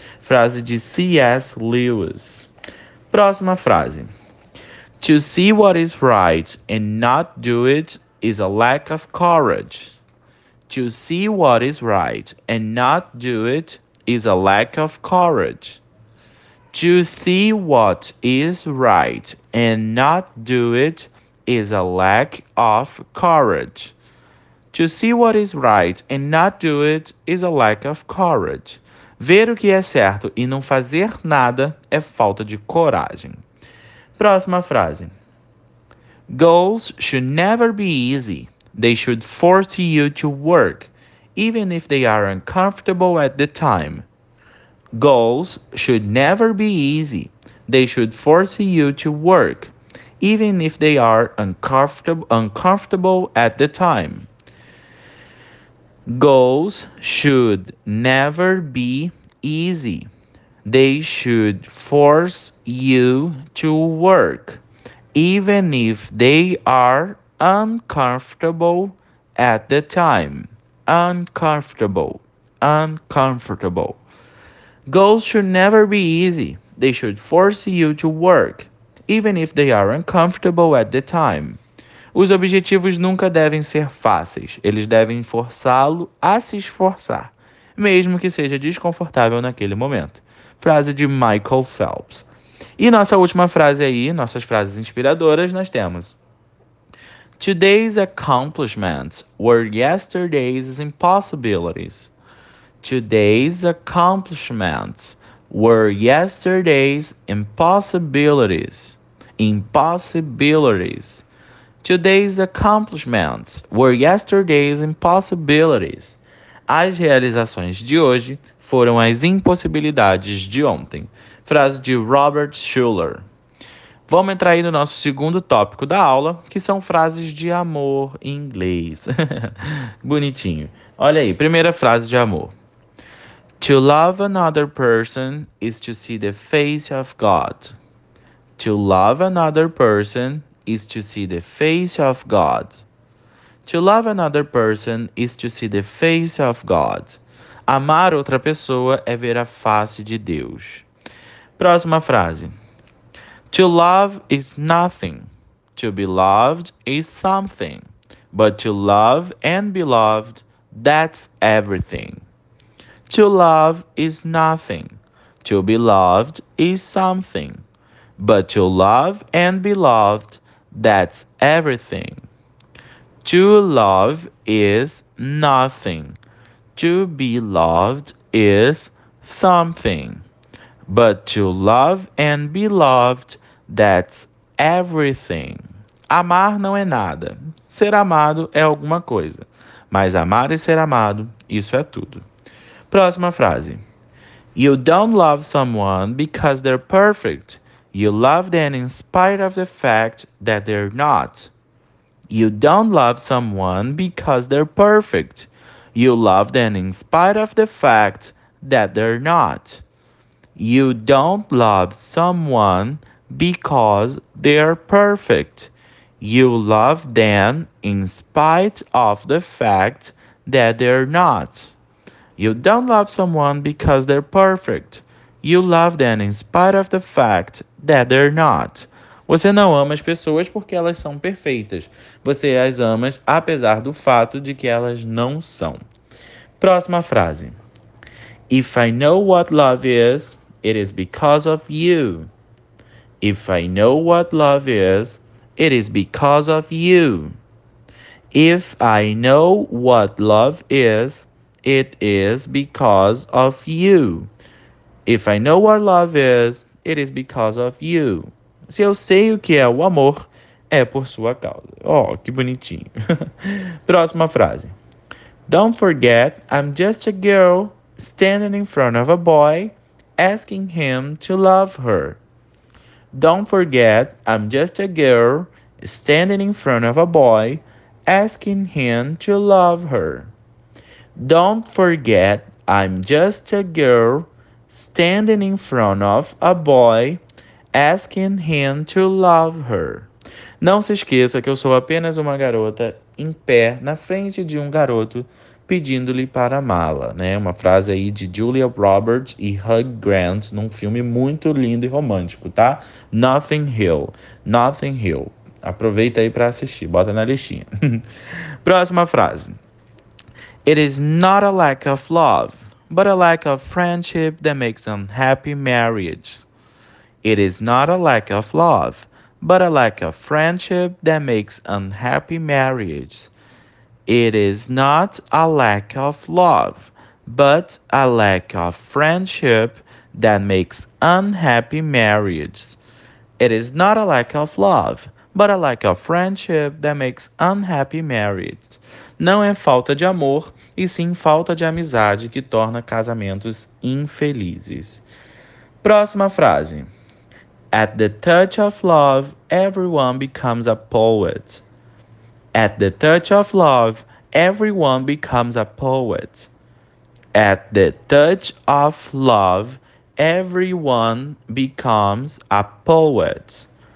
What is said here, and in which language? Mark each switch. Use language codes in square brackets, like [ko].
[pt] Frase de C.S. Lewis. Próxima frase. [en] To see what is right and not do it is a lack of courage. To see what is right and not do it is a lack of courage. To see what is right and not do it is a lack of courage. To see what is right and not do it is a lack of courage. [pt] Ver o que é certo e não fazer nada é falta de coragem. Próxima frase. [en] Goals should never be easy. They should force you to work. Even if they are uncomfortable at the time. Goals should never be easy. They should force you to work, even if they are uncomfortable at the time. Goals should never be easy. They should force you to work, even if they are uncomfortable at the time. Uncomfortable, uncomfortable. Goals should never be easy. They should force you to work, even if they are uncomfortable at the time. [pt] Os objetivos nunca devem ser fáceis. Eles devem forçá-lo a se esforçar, mesmo que seja desconfortável naquele momento. Frase de Michael Phelps. E nossa última frase aí, nossas frases inspiradoras, nós temos. [en] Today's accomplishments were yesterday's impossibilities. Today's accomplishments were yesterday's impossibilities. Impossibilities. Today's accomplishments were yesterday's impossibilities. [pt] As realizações de hoje foram as impossibilidades de ontem. Frase de Robert Schuller. Vamos entrar aí no nosso segundo tópico da aula, que são frases de amor em inglês. Bonitinho. Olha aí, primeira frase de amor. [en] To love another person is to see the face of God. To love another person is to see the face of God. To love another person is to see the face of God. [pt] Amar outra pessoa é ver a face de Deus. Próxima frase. [en] To love is nothing. To be loved is something. But to love and be loved, that's everything. To love is nothing. To be loved is something. But to love and be loved, that's everything. To love is nothing. To be loved is something. But to love and be loved, that's everything. [pt] Amar não é nada. Ser amado é alguma coisa. Mas amar e ser amado, isso é tudo. Próxima frase. [en] You don't love someone because they're perfect. You love them in spite of the fact that they're not. You don't love someone because they're perfect. You love them in spite of the fact that they're not. You don't love someone because they're perfect. You love them in spite of the fact that they're not. You don't love someone because they're perfect. You love them in spite of the fact that they're not. [pt] Você não ama as pessoas porque elas são perfeitas. Você as ama apesar do fato de que elas não são. Próxima frase. [en] If I know what love is, It is because of you. If I know what love is, it is because of you. If I know what love is, it is because of you. If I know what love is, it is because of you. [pt] Se eu sei o que é o amor, é por sua causa. Oh, que bonitinho. Próxima frase. [en] Don't forget, I'm just a girl standing in front of a boy asking him to love her. Don't forget, I'm just a girl standing in front of a boy asking him to love her. Don't forget, I'm just a girl standing in front of a boy asking him to love her. [pt] Não se esqueça que eu sou apenas uma garota em pé na frente de um garoto pedindo-lhe para amá-la, né? Uma frase aí de Julia Roberts e Hugh Grant num filme muito lindo e romântico, tá? Notting Hill. Notting Hill. Aproveita aí para assistir, bota na listinha. Próxima frase. [en] It is not a lack of love, but a lack of friendship that makes unhappy marriages. It is not a lack of love, but a lack of friendship that makes unhappy marriages. It is not a lack of love, but a lack of friendship that makes unhappy marriages. It is not a lack of love, but a lack of friendship that makes unhappy marriages. [pt] Não é falta de amor, e sim falta de amizade que torna casamentos infelizes. Próxima frase. [en] At the touch of love, everyone becomes a poet. At the touch of love, everyone becomes a poet. At the touch of love, everyone becomes a poet.